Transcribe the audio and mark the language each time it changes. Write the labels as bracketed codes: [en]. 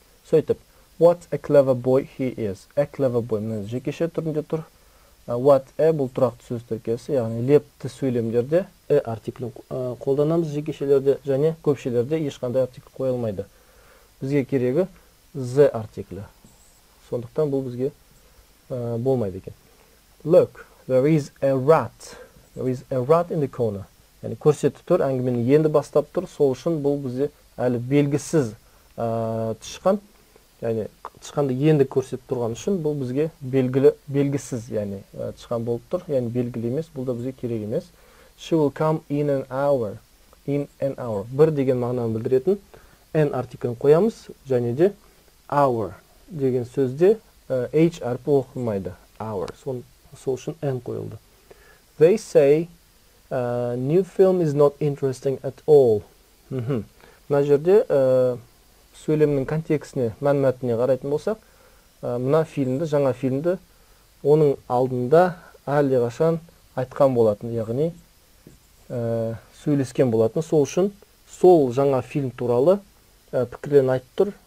[kk] Сөйтіп, [en] what a clever boy he is. A clever boy. [kk] Мен жекеше түрінде тұр. [en] What a [kk] бұл тұрақты сөз тіркесі, яғни лепті сөйлемдерде e артиклін қолданамыз, жекешелерде және көпшелерде ешқандай артикль қойылмайды. Бізге керегі the артиклі. Сондықтан бұл бізге болмайды екен. [en] Look, there is a rat. There is a rat in the corner. [kk] Яғни көрсетіп тұр, әңгімені енді бастап тұр, сол үшін бұл бізде әлі белгісіз тышқан, яғни тышқанды енді көрсетіп тұрған үшін бұл бізге белгісіз, яғни тышқан болып тұр, яғни белгілі емес, бұл да бізге керек емес. [en] She will come in an hour. In an hour. [kk] Бір деген мағынаны білдіретін an артиклін қоямыз, және де hour деген сөзде h әрпі оқылмайды. [en] Hour. [kk] Сол үшін an қойылды. [en] They say new film is not interesting at all. [kk] Мына жерде сөйлемнің контекстіне, мәнмәтініне қарайтын болсақ, мына фильмді, жаңа фильмді оның алдында әлдеқашан айтқан болатын, яғни сөйлескен болатын. Сол үшін сол жаңа фильм туралы пікірін айтып тұр.